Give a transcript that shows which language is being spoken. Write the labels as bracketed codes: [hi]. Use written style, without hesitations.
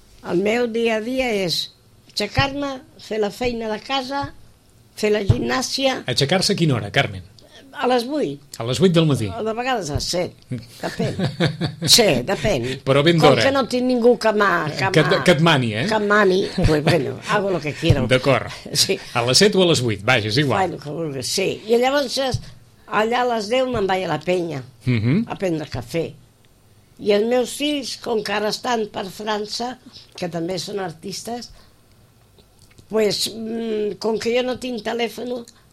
[ca] El meu dia a dia és aixecar-me, fer la feina de casa, fer la gimnàsia... Aixecar-se a quina hora, Carmen? A les 8. A les 8 del matí? O de vegades a les 7, depèn. Sí, depèn. Però ben d'hora. Com que no tinc ningú que m'ha... Que et mani, eh? Que mani, [es] pues bueno, hago lo que quiero. [ca] D'acord. Sí. A les 7 o a les 8, vaja, és igual. Bueno, que vulguis, sí. I llavors, allà a les 10 me'n vaig a la penya, uh-huh, a prendre cafè. I els meus fills, com que ara estan per França, que també són artistes, pues, com que jo no tinc telèfon...